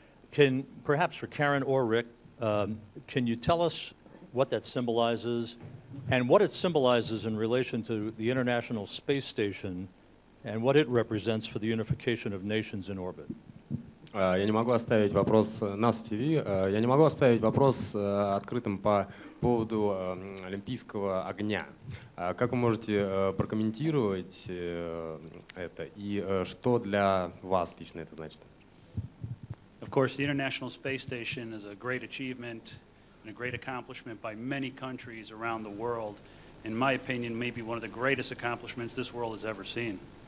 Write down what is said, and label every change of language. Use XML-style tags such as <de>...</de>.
<en>Can, perhaps for Karen or Rick, can you tell us what that symbolizes and what it symbolizes in relation to the International Space Station and what it represents for the unification of nations in orbit?</en> <ru>Я не могу оставить вопрос NASA TV. Я не могу оставить вопрос открытым по поводу олимпийского огня. Как вы можете прокомментировать это и что для вас лично это значит?</ru> <en>Of course, the International Space Station is a great achievement and a great accomplishment by many countries around the world. In my opinion, maybe one of the greatest accomplishments this world has ever seen.</en>